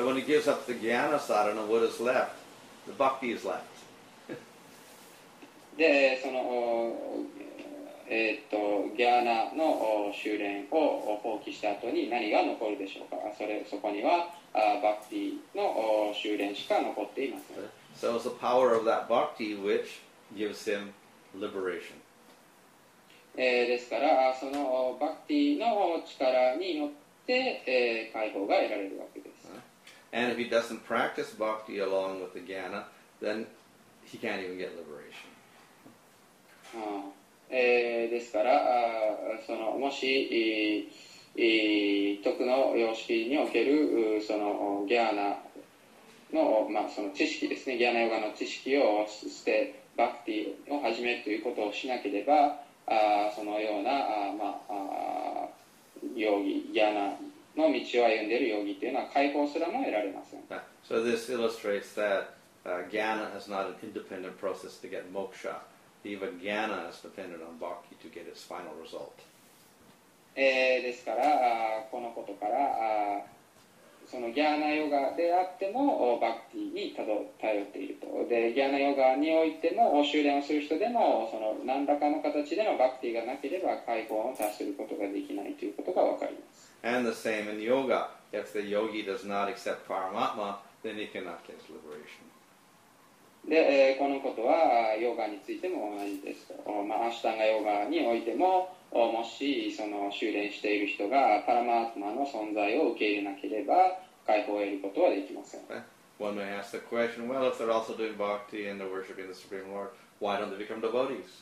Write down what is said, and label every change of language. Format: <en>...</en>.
<en>So when he gives up the jnana sadhana, what is left? The bhakti is left.</en> <ja>で、その、jnana の修練を放棄した後に何が残るでしょうか？そこには、bhakti の修練しか残っていません。</ja> <en>So it's the power of that bhakti which gives him liberation.</en> <ja>ですからそのバクティの力によって、解放が得られるわけです。</ja> <en>And if he doesn't practice bhakti along with the jnana, then he can't even get liberation.</en> <ja>ですからそのもし徳の様式におけるそのジャーナの、まあ、その知識ですね、ギャナヨガの知識を捨て、バクティを始めるということをしなければ、あそのようなあ、まあ、あ容疑、ギャナの道を歩んでいる容疑というのは解放すらも得られません。</ja> <en>So this illustrates that Jnana is not an independent process to get moksha. Even Jnana is dependent on bhakti to get its final result.</en> <ja>ですから、このことから、そのギャーナヨガであっても、バクティに頼っていると。で、ギャーナヨガにおいても、修練をする人でも、その何らかの形でのバクティがなければ、解放を達することができないということがわかります。</ja> <en>And the same in yoga. If the yogi does not accept paramatma, then he cannot get liberation.</en> <ja>で、このことは、ヨガについても同じです。まあ、アシュタンガヨガにおいても、もしその修練している人がパラマートマの存在を受け入れなければ解放を得ることはできません。</ja> <en>One may ask the question, well, if they're also doing bhakti and they're worshipping the Supreme Lord, why don't they become devotees?</en>